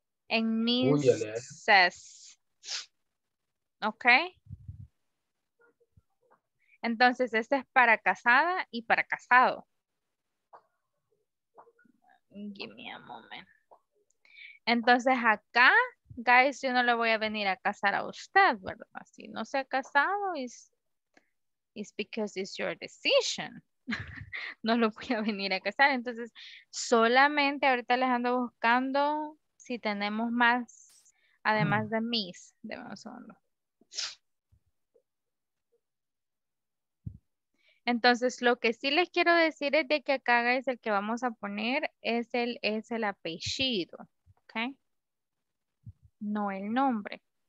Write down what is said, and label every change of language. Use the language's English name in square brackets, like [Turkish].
[English] and Mrs. ¿Ok? [Spanish] Entonces, este es para casada y para casado. [English] Give me a moment. [Spanish] Entonces, acá, guys, yo no le voy a venir a casar a usted, ¿verdad? Si no se ha casado, [English] it's because it's your decision. [Spanish] No lo voy a venir a casar, entonces solamente ahorita les ando buscando si tenemos más, además de Miss, déjame un segundo. Entonces lo que sí les quiero decir es de que acá es el que vamos a poner es el apellido, ok, no el nombre.